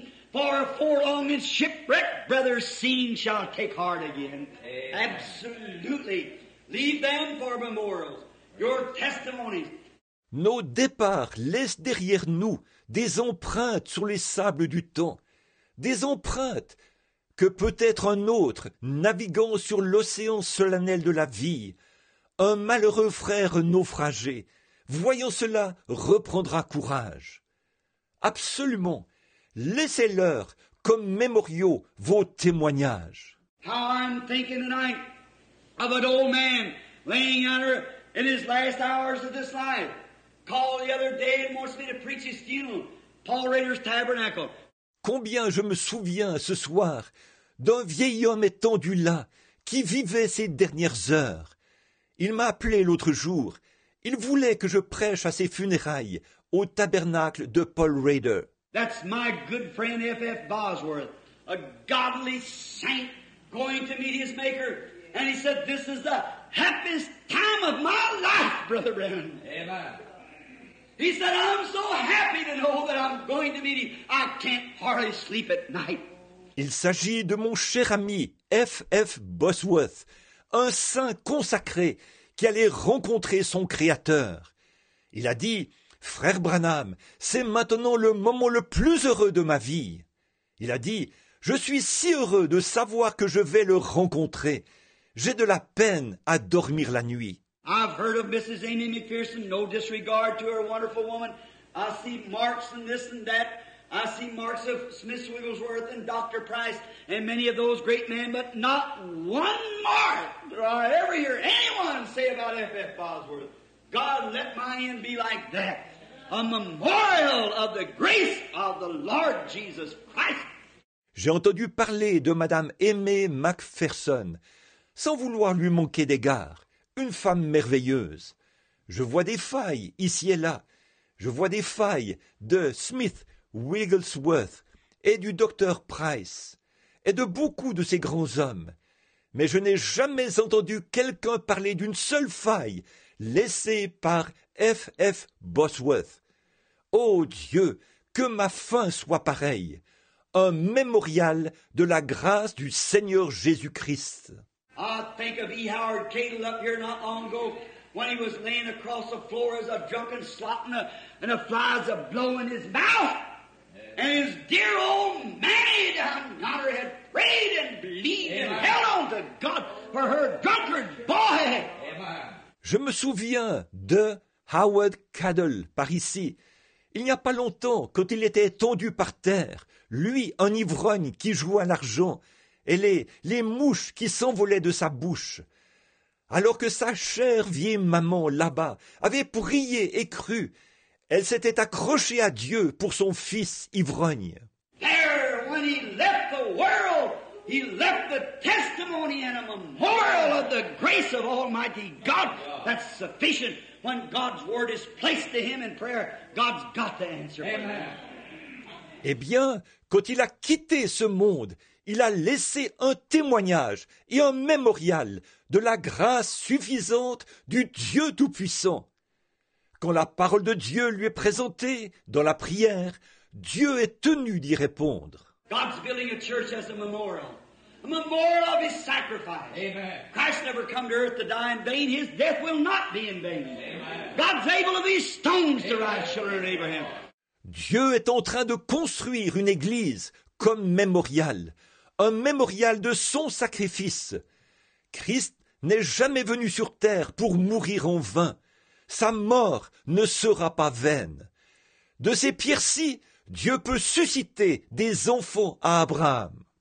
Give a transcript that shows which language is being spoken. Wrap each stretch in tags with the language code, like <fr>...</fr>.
<en>For a forlorn and shipwrecked brother seen shall take heart again. Amen. Absolutely. Leave them for memorials, your testimonies.</en> <fr>Nos départs laissent derrière nous des empreintes sur les sables du temps, des empreintes que peut-être un autre, naviguant sur l'océan solennel de la vie, un malheureux frère naufragé, voyant cela, reprendra courage. Absolument. Laissez-leur comme mémoriaux vos témoignages.</fr> <en>How I'm thinking tonight of an old man laying under in his last hours of this life. Called the other day and wants me to preach his funeral. Paul Rader's Tabernacle.</en> <fr>Combien je me souviens ce soir d'un vieil homme étendu là qui vivait ses dernières heures. Il m'a appelé l'autre jour. Il voulait que je prêche à ses funérailles au tabernacle de Paul Rader.</fr> <en>That's my good friend F.F. Bosworth, a godly saint going to meet his maker. And he said, this is the happiest time of my life, Brother Brennan. Amen. He said, I'm so happy to know that I'm going to meet him. I can't hardly sleep at night.</en> <fr>Il s'agit de mon cher ami F.F. Bosworth, un saint consacré qui allait rencontrer son créateur. Il a dit, « Frère Branham, c'est maintenant le moment le plus heureux de ma vie. » Il a dit, « Je suis si heureux de savoir que je vais le rencontrer. J'ai de la peine à dormir la nuit. »</fr> <en>I've heard of Mrs. Amy McPherson, no disregard to her wonderful woman. I see marks and this and that. I see marks of Smith Wigglesworth and Dr. Price and many of those great men, but not one mark do I ever hear anyone say about F.F. Bosworth. God, let my end be like that, a memorial of the grace of the Lord Jesus Christ.</en> <fr>J'ai entendu parler de Madame Aimé MacPherson, sans vouloir lui manquer d'égard, une femme merveilleuse. Je vois des failles ici et là. Je vois des failles de Smith Wigglesworth et du docteur Price et de beaucoup de ces grands hommes. Mais je n'ai jamais entendu quelqu'un parler d'une seule faille laissée par F.F. Bosworth. Ô Dieu, que ma fin soit pareille, un mémorial de la grâce du Seigneur Jésus-Christ.</fr> <en>I think of E. Howard Cadle up here not long ago when he was laying across the floor as a drunken slut and the flies are blowing his mouth. And his dear old Mammy down yonder had prayed and believed and held on to God for her drunkard boy. Amen.</en> <fr>Je me souviens de Howard Cadle par ici. Il n'y a pas longtemps, quand il était tendu par terre, lui, un ivrogne qui joue à l'argent, et les mouches qui s'envolaient de sa bouche. Alors que sa chère vieille maman, là-bas, avait prié et cru, elle s'était accrochée à Dieu pour son fils ivrogne.</fr> <en>There, when he left the world, he left the testimony and a memorial of the grace of Almighty God. That's sufficient. When God's word is placed to him in prayer, God's got the answer. Amen.</en> <fr>Eh bien, quand il a quitté ce monde, il a laissé un témoignage et un mémorial de la grâce suffisante du Dieu Tout-Puissant. Quand la parole de Dieu lui est présentée dans la prière, Dieu est tenu d'y répondre.</fr> <en>God's building a church as a memorial. A memorial of his sacrifice. Amen. Christ never come to earth to die in vain. His death will not be in vain. Amen. God's able of these stones to rise children of Abraham.</en> <fr>Dieu est en train de construire une église comme mémorial, un mémorial de son sacrifice. Christ n'est jamais venu sur terre pour mourir en vain. Sa mort ne sera pas vaine. De ces pierres-ci, Dieu peut susciter des enfants à Abraham.</fr>